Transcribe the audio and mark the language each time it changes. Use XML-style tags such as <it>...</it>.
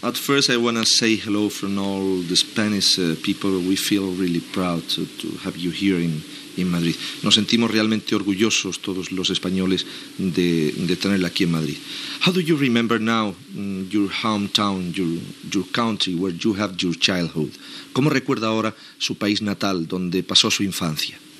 <en>At first I want to say hello from all the Spanish people. We feel really proud to have you here in Madrid.</en> <es>Nos sentimos realmente orgullosos todos los españoles de tenerla aquí en Madrid.</es> <en>How do you remember now your hometown, your country where you have your childhood?</en> <es>¿Cómo recuerda ahora su país natal donde pasó su infancia?</es>